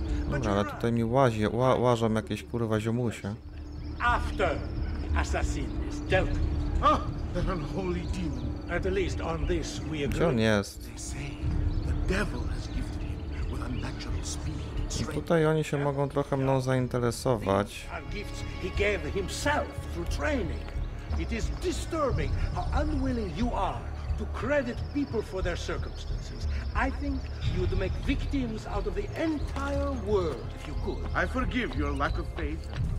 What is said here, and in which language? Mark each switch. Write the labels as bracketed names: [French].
[Polish] Dobra, ale tutaj mi łazie, łażą jakieś kurwa ziomusie. [English] After assassin is dealt with. That unholy demon. At least on this we agree. [Polish] Gdzie on jest? [English] They say the devil has gifted him with unnatural speed. [Polish] I tutaj oni się mogą trochę mną zainteresować. [English] Gifts he gave himself through training. It is disturbing how unwilling you are to credit people for their circumstances. I think you'd make victims out of the entire world if you could. I forgive your lack of faith.